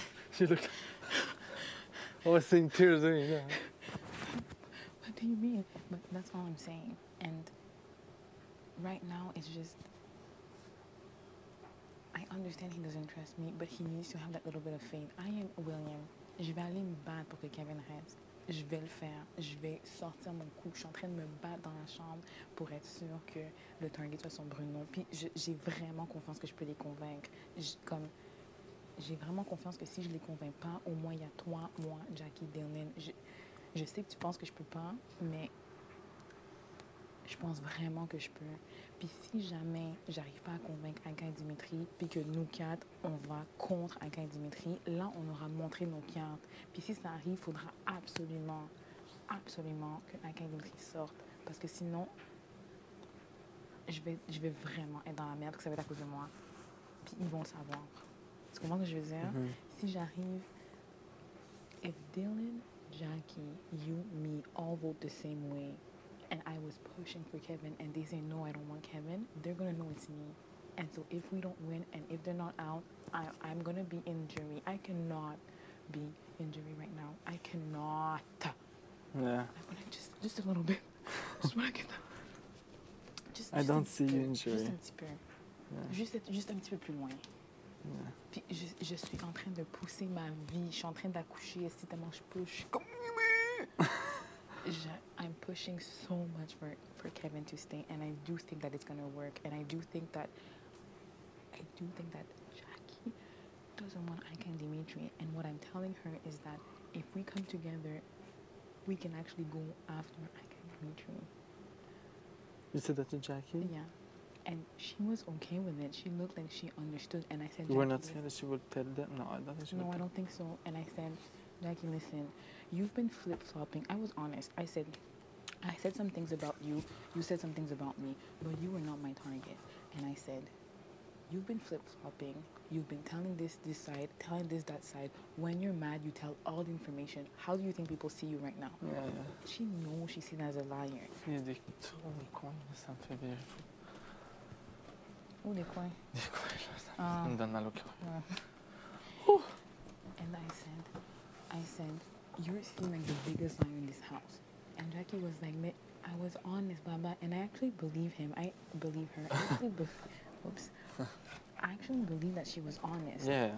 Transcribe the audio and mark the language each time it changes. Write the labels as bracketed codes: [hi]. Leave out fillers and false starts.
[en] She looked... I was seeing tears in her. What do you mean? But that's all I'm saying. And right now, it's just... I understand he doesn't trust me, but he needs to have that little bit of faith. I am William. [fr] Je vais aller me battre pour que Kevin reste. Je vais le faire. Je vais sortir mon coup. Je suis en train de me battre dans la chambre pour être sûr que le target soit son Bruno. Puis j'ai vraiment confiance que je peux les convaincre. J'ai vraiment confiance que si je les convainc pas, au moins il y a toi, moi, Jackie, Dylan. Je sais que tu penses que je peux pas, mais je pense vraiment que je peux. Puis si jamais j'arrive pas à convaincre Aga et Dimitri, puis que nous quatre, on va contre Aga et Dimitri, là, on aura montré nos cartes. Puis si ça arrive, il faudra absolument, absolument que Aga et Dimitri sortent. Parce que sinon, je vais vraiment être dans la merde, que ça va être à cause de moi. Puis ils vont le savoir. Tu comprends ce que je veux dire? Mm-hmm. Si j'arrive, [en] if Dylan, Jackie, you, me, all vote the same way, and I was pushing for Kevin, and they say, no, I don't want Kevin, they're going to know it's me. And so if we don't win, and if they're not out, I'm going to be in jury. I cannot be in jury right now. I cannot. Yeah. I'm going to just a little bit. Just want to get that. I don't see you in jury. Just a little bit. Just a little bit [fr] plus loin. [en] Yeah. [fr] Puis je suis en train de pousser ma vie. Je suis en train d'accoucher. Si tellement je push. [en] I'm pushing so much for Kevin to stay, and I do think that it's gonna work. And I do think that Jackie doesn't want Ike and Dimitri. And what I'm telling her is that if we come together, we can actually go after Ike and Dimitri. You said that to Jackie? Yeah. And she was okay with it. She looked like she understood. And I said, you were not saying that she would tell them? No, I don't think she would. No, I don't think so. And I said, Jackie, listen, you've been flip-flopping. I was honest. I said some things about you. You said some things about me. But you were not my target. And I said, you've been flip-flopping. You've been telling this side, telling this that side. When you're mad, you tell all the information. How do you think people see you right now? Yeah. She knows she's seen as a liar. Yeah, they told me quite something beautiful. [fr] Oh, des coins. Des coins, là, ça me donne mal au cœur. [en] And I said, you're seeing like the biggest liar in this house. And Jackie was like, I was honest, Baba. And I actually believe him. I believe her. I actually believe that she was honest. Yeah.